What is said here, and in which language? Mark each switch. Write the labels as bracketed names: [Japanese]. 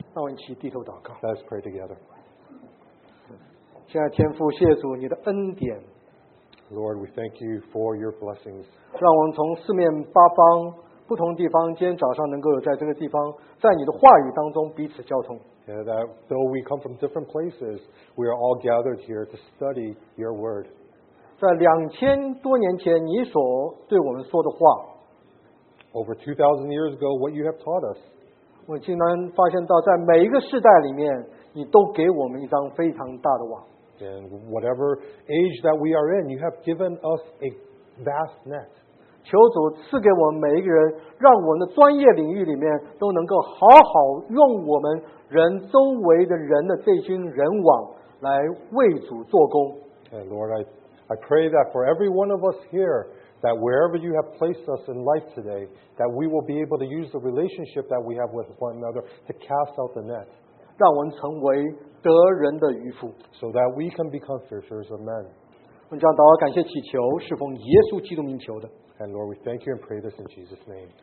[Chinese] 那我们一起低头祷告。 [English] Let's pray together. [Chinese] 亲爱的天父，谢主你的恩典。 [English] Lord, we thank you for your blessings. [Chinese] 让我们从四面八方。不同地方今天早上能够有在这个地方在你的话语当中彼此交通 [English] yeah, that though we come from different places, we are all gathered here to study your word. [Chinese] 在两千多年前你所对我们说的话。 [English] Over 2,000 years ago, what you have taught us. [Chinese] 我竟然发现到在每一个世代里面，你都给我们一张非常大的网。 [English] And whatever age that we are in, you have given us a vast net. [Chinese] 求主赐给我们每一个人，让我们的专业领域里面都能够好好用我们人周围的人的这群人网来为主做工。 [English] And Lord, I pray that for every one of us here, that wherever you have placed us in life today, that we will be able to use the relationship that we have with one another to cast out the net. [Chinese] 让我们成为得人的渔夫。 [English] So that we can become fishers of men. [Chinese] 我们这样祷告感谢祈求是奉耶稣基督名求的。 [English] And Lord, we thank you and pray this in Jesus' name.